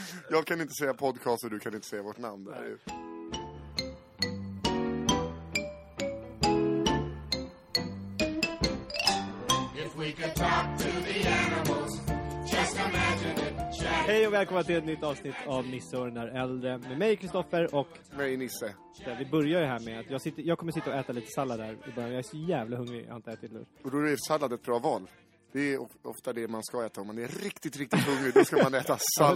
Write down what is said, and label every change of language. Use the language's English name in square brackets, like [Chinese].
[Swedish] Jag kan inte säga podcast och du kan inte säga vårt namn. Nej. [English] If we could talk to the animals, just imagine it. [Swedish] Hej och välkomna till ett nytt avsnitt av Nisse och den där äldre. Med mig Kristoffer och mig Nisse. Vi börjar ju här med att jag kommer sitta och äta lite sallad där i början. Jag är så jävla hungrig, jag har inte ätit lunch. Och då är sallad ett bra val. Det är ofta det man ska äta. Om man är riktigt, riktigt hungrig, då ska man äta sallad.